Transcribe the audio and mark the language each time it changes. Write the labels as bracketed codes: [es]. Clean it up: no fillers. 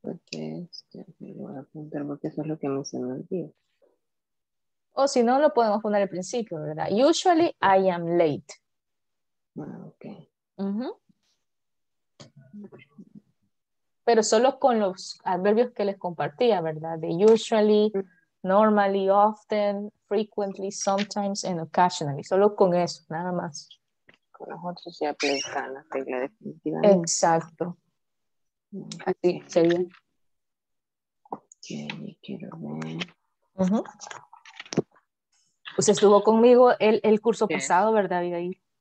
[es] Porque eso es lo que me se me olvida. O si no, lo podemos poner al principio, ¿verdad? [en] Usually I am late. Ah, ok. [es] Pero solo con los adverbios que les compartía, ¿verdad? [en] De usually, normally, often, frequently, sometimes, and occasionally. [es] Solo con eso, nada más. Con los otros se aplica la regla definitiva. Exacto. Okay. Así sería. Ok, quiero ver. Pues estuvo conmigo el curso yes. pasado, ¿verdad, Abigail?